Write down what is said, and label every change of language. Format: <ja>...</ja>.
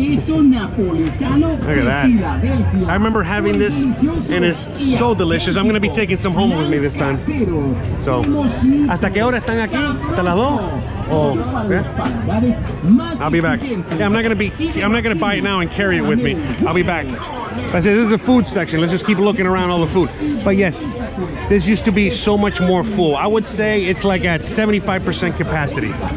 <en>Look at that. I remember having this, and it's so delicious. I'm gonna be taking some home with me this time.</en> <es>So, hasta qué hora están aquí? Hasta las 2.</es> <en>Oh, yeah. I'll be back. Yeah, I'm not gonna buy it now and carry it with me. I'll be back. I said, this is a food section. Let's just keep looking around all the food. But yes, this used to be so much more full. I would say it's like at 75% capacity.</en>